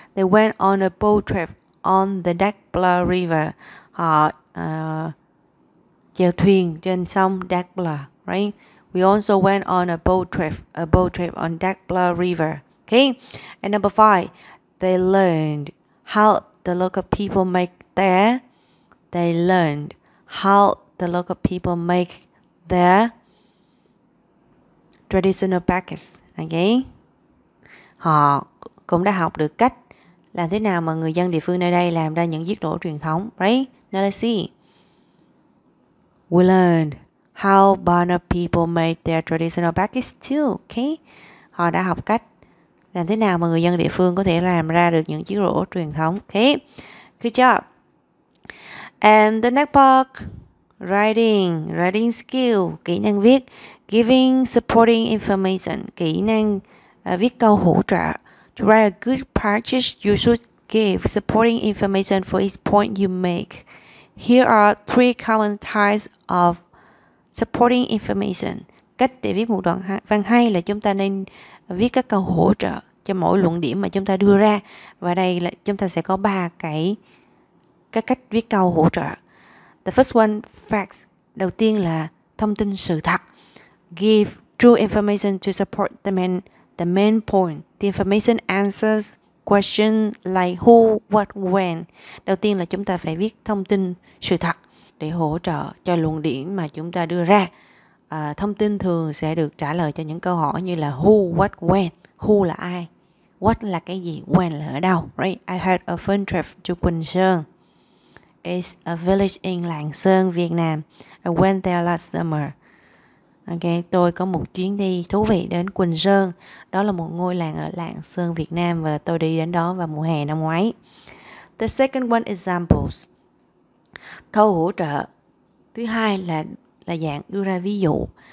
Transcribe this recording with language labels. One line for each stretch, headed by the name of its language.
English: They went on a boat trip on the Dagbla River.
Vietnamese: Họ chèo thuyền trên sông Dagbla.
English: Right. We also went on a boat trip on Dagbla River. Okay. And number five, they learned how the local people make their. They learned how the local people make their traditional baskets. Okay.
Vietnamese: Họ cũng đã học được cách làm thế nào mà người dân địa phương nơi đây làm ra những chiếc rổ truyền thống.
English: Right. Now let's see. We learned how Pana people made their traditional baskets too. Okay.
Vietnamese: Họ đã học cách làm thế nào mà người dân địa phương có thể làm ra được những chiếc rổ truyền thống.
English: Okay. Good job. And the next part, writing skill,
Vietnamese: kỹ năng viết,
English: giving supporting information,
Vietnamese: kỹ năng viết câu hỗ trợ.
English: To write a good passage, you should give supporting information for each point you make. Here are three common types of supporting information.
Vietnamese: Cách để viết một đoạn văn hay là chúng ta nên viết các câu hỗ trợ cho mỗi luận điểm mà chúng ta đưa ra. Và đây là chúng ta sẽ có ba cái các cách viết câu hỗ trợ.
English: The first one, facts.
Vietnamese: Đầu tiên là thông tin sự thật.
English: Give true information to support the main point, the information answers question like who, what, when.
Vietnamese: Đầu tiên là chúng ta phải viết thông tin sự thật để hỗ trợ cho luận điểm mà chúng ta đưa ra. Thông tin thường sẽ được trả lời cho những câu hỏi như là who, what, when. Who là ai? What là cái gì? When là ở đâu? Right?
English: I heard a phone trip to Quỳnh Sơn. It's a village in Lạng Sơn, Việt Nam. I went there last summer.
Vietnamese: Okay, tôi có một chuyến đi thú vị đến Quỳnh Sơn. Đó là một ngôi làng ở Lạng Sơn, Việt Nam, và tôi đi đến đó vào mùa hè năm ngoái.
English: The second one examples.
Vietnamese: Câu hỗ trợ thứ hai là dạng đưa ra ví dụ.